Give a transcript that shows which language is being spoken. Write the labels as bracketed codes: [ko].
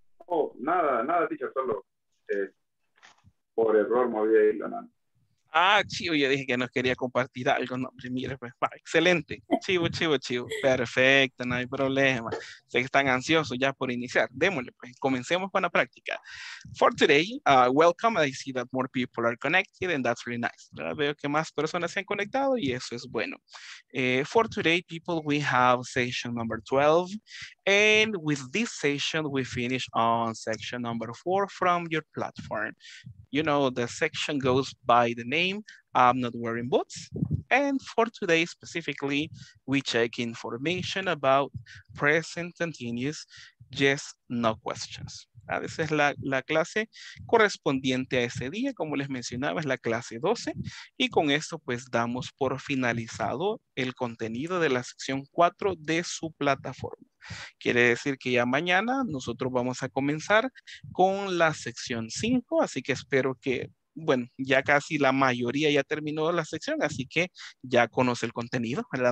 [es] Oh, nada, teacher, solo por error moví ahí la mano. Ah, chivo, yo dije que nos quería compartir algo, no, mire, pues, va, excelente, chivo, perfecto, no hay problema, sé que están ansiosos ya por iniciar, démosle, pues, comencemos con la práctica. [en] For today, welcome, I see that more people are connected and that's really nice, [es] ¿verdad? Veo que más personas se han conectado y eso es bueno. [en] For today, people, we have session number 12, and with this session, we finish on section number 4 from your platform. You know, the section goes by the name, I'm not wearing boots. And for today specifically, we check information about present continuous, yes, no questions. [es] ¿Verdad? Esa es la clase correspondiente a ese día, como les mencionaba, es la clase 12. Y con esto pues damos por finalizado el contenido de la sección 4 de su plataforma. Quiere decir que ya mañana nosotros vamos a comenzar con la sección 5, así que espero que, bueno, ya casi la mayoría ya terminó la sección, así que ya conoce el contenido, ¿verdad?